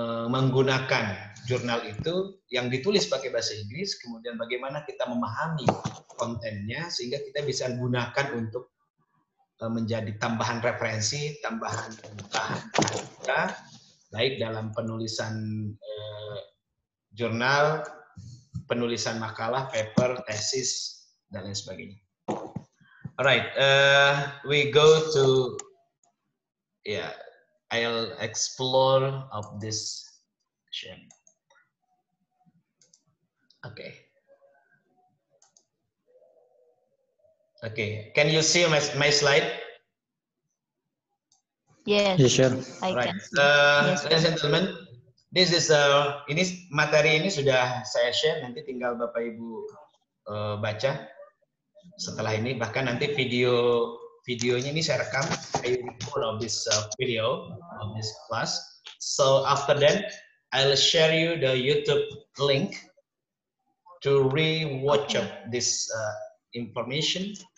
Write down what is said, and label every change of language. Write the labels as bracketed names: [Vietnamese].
[Indonesian] menggunakan jurnal itu yang ditulis pakai bahasa Inggris, kemudian bagaimana kita memahami kontennya sehingga kita bisa gunakan untuk menjadi tambahan referensi, tambahan bahan kita, baik dalam penulisan jurnal, penulisan makalah, paper, tesis, dan lain sebagainya. [English] Alright, we go to, I'll explore of this session. Okay. Can you see my slide? Yes. Sir. Right. Ladies and gentlemen, this is [Indonesian] ini materi ini sudah saya share. Nanti tinggal Bapak Ibu baca setelah ini. Bahkan nanti videonya ini saya rekam. [English] I record of this video of this class. So after that, I'll share you the YouTube link to rewatch of this information.